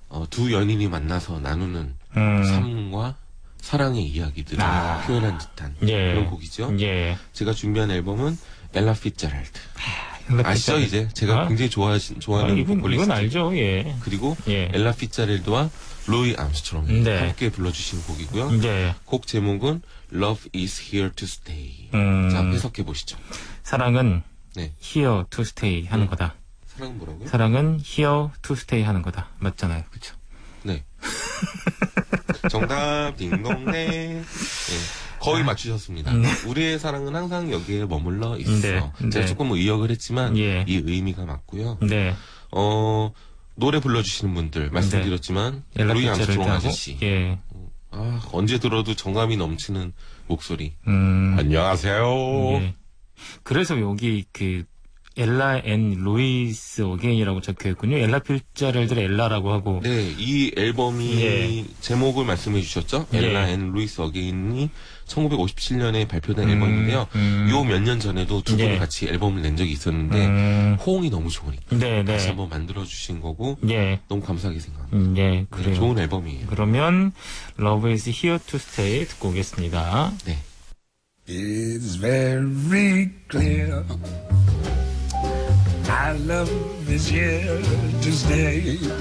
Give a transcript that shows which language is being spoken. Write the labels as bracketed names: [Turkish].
[Korean] 두 연인이 만나서 나누는 삶과 사랑의 이야기들을 아. 표현한 듯한 예. 그런 곡이죠. 예. 제가 준비한 앨범은 엘라 피츠제럴드. 아, 아시죠, 이제? 제가 어? 굉장히 좋아하는 보컬리스트. 이건 알죠, 예. 그리고 예. 엘라 피츠제럴드와 루이 암스트롱 네. 함께 불러주신 곡이고요. 네. 곡 제목은 Love is here to stay. 자, 해석해 보시죠. 사랑은 네. [English] here to stay [Korean] 하는 거다. 사랑은 뭐라고요? 사랑은 [English] here to stay [Korean] 하는 거다. 맞잖아요. 그쵸? 네. 정답, 딩동네. 네. 거의 아, 맞추셨습니다. 네. 우리의 사랑은 항상 여기에 머물러 있어. 네. 제가 네. 조금 의역을 했지만 예. 이 의미가 맞고요. 네. 노래 불러주시는 분들 말씀드렸지만 네. 루이 암스트롱 아저씨 예. 아, 언제 들어도 정감이 넘치는 목소리 안녕하세요 예. 그래서 여기 그 엘라 앤 루이스 어게인이라고 적혀있군요 엘라 필자를들 엘라라고 하고 네, 이 앨범이 예. 제목을 말씀해 주셨죠 엘라 예. 앤 루이스 어게인이 1957년에 발표된 앨범인데요 요 몇 년 전에도 두 분이 네. 같이 앨범을 낸 적이 있었는데 호응이 너무 좋으니까 네, 네. 다시 한번 만들어주신 거고 네. 너무 감사하게 생각합니다 네, 그래요. 네, 좋은 앨범이에요 그러면 Love is here to stay 듣고 오겠습니다 네. [English] It's very clear My love is here to stay